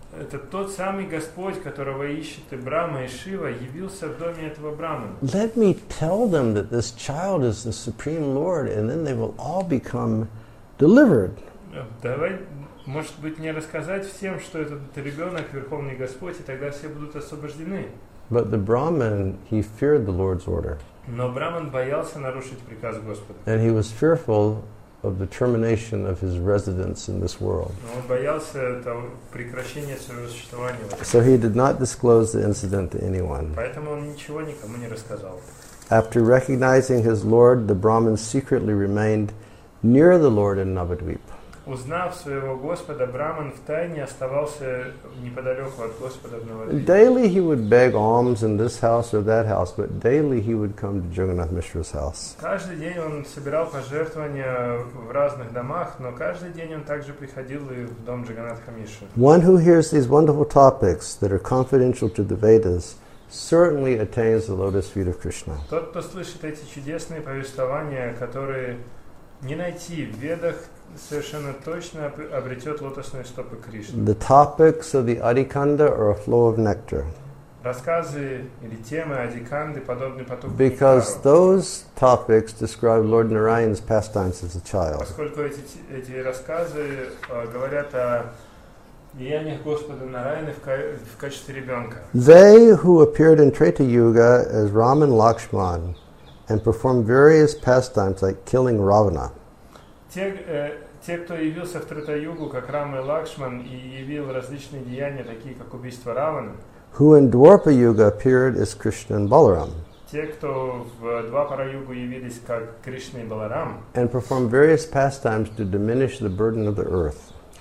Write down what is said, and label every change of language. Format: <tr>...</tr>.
<ru>Это тот самый Господь, которого ищет и Брахма, и Шива, явился в доме этого Брахмана.</ru> <en>Let me tell them that this child is the Supreme Lord, and then they will all become delivered.</en> <ru>Давай, может быть, не рассказать всем, что этот ребенок Верховный Господь, и тогда все будут освобождены.</ru> <en>But the Brahmin, he feared the Lord's order.</en> <ru>Но Брахман боялся нарушить приказ Господа.</ru> <en>And he was fearful of the termination of his residence in this world.</en> <ru>Но он боялся того, прекращения своего существования.</ru> <en>So he did not disclose the incident to anyone.</en> <ru>Поэтому он ничего никому не рассказал.</ru> <en>After recognizing his Lord, the Brahmin secretly remained near the Lord in Navadvip.</en> <ru>Узнав своего Господа, Брахман втайне оставался неподалеку от Господа в Навадвипе.</ru> <en>Daily he would beg alms in this house or that house, but daily he would come to Jagannath Mishra's house.</en> <ru>Каждый день он собирал пожертвования в разных домах, но каждый день он также приходил и в дом Джаганнатха Мишры.</ru> <en>One who hears these wonderful topics that are confidential to the Vedas certainly attains the lotus feet of Krishna.</en> <ru>Тот, кто слышит эти чудесные повествования, которые не найти в Ведах, совершенно точно обретет лотосные стопы Кришны.</ru> <en>The topics of the Adikanda are a flow of nectar.</en> <ru>Рассказы или темы Адиканды подобны потоку нектару.</ru> <en>Because those topics describe Lord Narayan's pastimes as a child.</en> <ru>Поскольку эти рассказы говорят о деяниях Господа Нараяны в качестве ребенка.</ru> <en>They who appeared in Treta Yuga as Ram and Lakshman and performed various pastimes like killing Ravana.</en> <ru>Те, кто явился в Трета-югу, как Рама и Лакшман, и явил различные деяния, такие как убийство Равана.</ru> <en>Who in Dwapara-yuga appeared as Krishna and Balaram.</en> <ru>Те, кто в Двапара-югу явились как Кришна и Баларам.</ru> <en>And performed various pastimes to diminish the burden of the earth.</en>